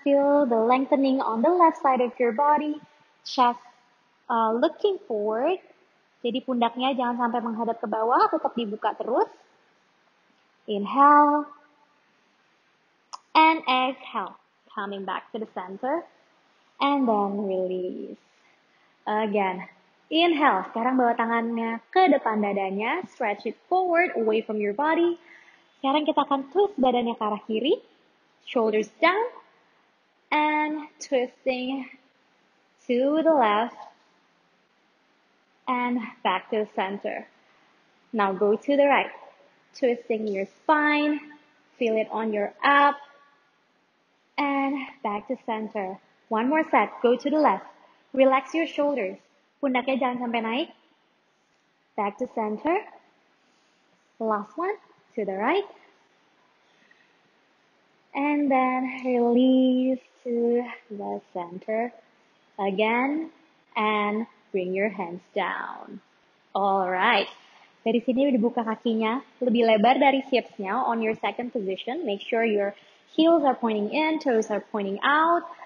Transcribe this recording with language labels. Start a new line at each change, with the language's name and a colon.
English: Feel the lengthening on the left side of your body. Chest looking forward.
Indonesian: Jadi pundaknya jangan sampai menghadap ke bawah, tetap dibuka terus.
English: Inhale. And exhale. Coming back to the center. And then release. Again. Inhale.
Indonesian: Sekarang bawa tangannya ke depan dadanya.
English: Stretch it forward, away from your body.
Indonesian: Sekarang kita akan twist badannya ke arah kiri.
English: Shoulders down. And twisting to the left. And back to the center. Now go to the right. Twisting your spine. feel it on your app, and back to center. One more set, go to the left. Relax your shoulders.
Indonesian: Pundaknya jangan sampai naik.
English: Back to center. Last one, to the right. And then release to the center again. And bring your hands down. Alright.
Indonesian: Dari sini dibuka kakinya lebih lebar dari hips-nya.
English: On your second position, make sure your heels are pointing in, toes are pointing out.